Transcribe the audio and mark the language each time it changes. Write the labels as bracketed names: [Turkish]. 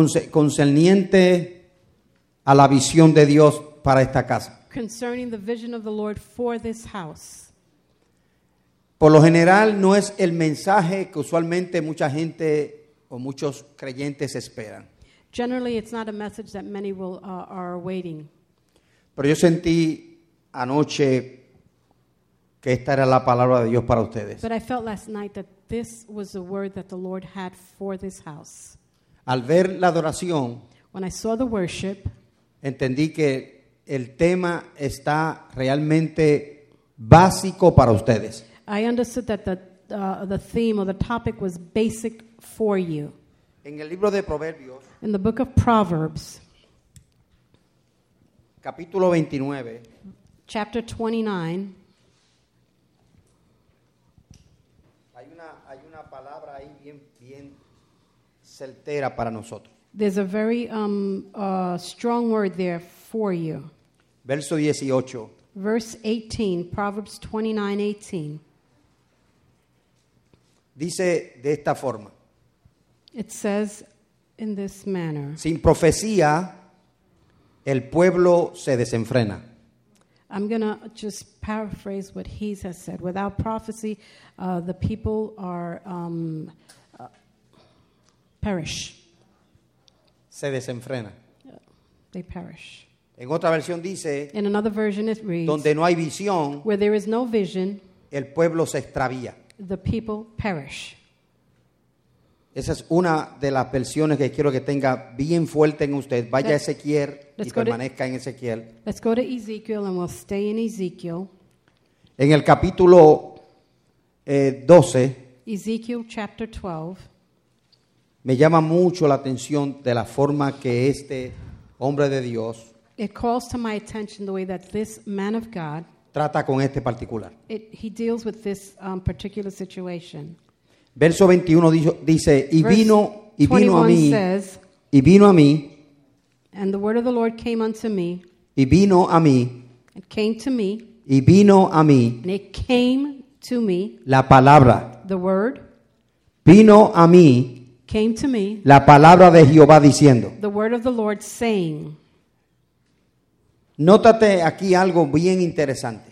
[Spanish] Concerniente a la visión de Dios para esta casa. [English] Concerning the vision of the Lord for this house. [Spanish] Por lo general, no es el mensaje que usualmente mucha gente o muchos creyentes esperan. [English] Generally, it's not a message that many will are awaiting. [Spanish] Pero yo sentí anoche que esta era la palabra de Dios para ustedes. [English] But I felt last night that this was the word that the Lord had for this house. [Spanish] Al ver la adoración, [English] when I saw the worship, [Spanish] entendí que el tema está realmente básico para ustedes. [English] I understood that the theme or the topic was basic for you. [Spanish] En el libro de Proverbios, [English] in the book of Proverbs, [Spanish] capítulo 29, [English] chapter 29, [Spanish] hay una palabra ahí bien certera para nosotros. [English] There's a very strong word there for you. [Spanish] Verso 18. [English] Verse 18, Proverbs 29:18. [Spanish] Dice de esta forma. [English] It says in this manner. [Spanish] Sin profecía, el pueblo se desenfrena. [English] I'm going to just paraphrase what he has said. Without prophecy, the people are perish. [Spanish] Se desenfrena. [English] They perish. [Spanish] En otra versión dice. [English] In another version it reads. [Spanish] Donde no hay visión. [English] Where there is no vision. [Spanish] El pueblo se extravía. [English] The people perish. [Spanish] Esa es una de las versiones que quiero que tenga bien fuerte en usted. Vaya a Ezequiel y permanezca en Ezequiel. [English] Let's go to Ezekiel and we'll stay in Ezekiel. [Spanish] En el capítulo 12. [English] Ezekiel chapter 12. [Spanish] Me llama mucho la atención de la forma que este hombre de Dios. [English] It calls to my attention the way that this man of God. [Spanish] Trata con este particular. [English] He deals with this particular situation. [Spanish] Verso 21 dice, y vino a mí, [English] and the word of the Lord came unto me, [Spanish] y vino a mí, [English] it came to me, [Spanish] y vino a mí, [English] and it came to me, [Spanish] la palabra, [English] the word, [Spanish] vino a mí, [English] came to me, [Spanish] la palabra de Jehová diciendo, [English] the word of the Lord saying. [Spanish] Nótate aquí algo bien interesante.